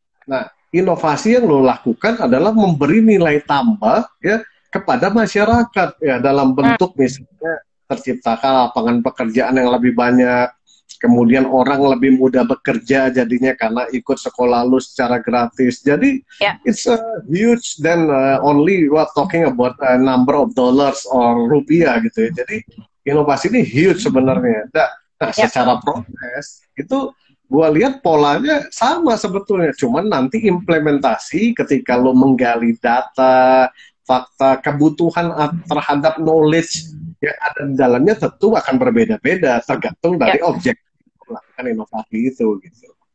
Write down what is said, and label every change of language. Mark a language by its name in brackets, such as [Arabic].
[Indonesian] Nah, inovasi yang lo lakukan adalah memberi nilai tambah ya kepada masyarakat ya, dalam bentuk misalnya terciptakan lapangan pekerjaan yang lebih banyak, kemudian orang lebih mudah bekerja jadinya karena ikut sekolah lu secara gratis. Jadi [English] it's a huge than only what talking about a number of dollars or rupiah gitu ya. [Indonesian] Jadi inovasi ini huge sebenarnya. Nah, secara proses itu gua lihat polanya sama sebetulnya, cuman nanti implementasi ketika lu menggali data, fakta, kebutuhan terhadap knowledge yang ada di dalamnya tentu akan berbeda-beda tergantung dari objek melakukan inovasi itu gitu.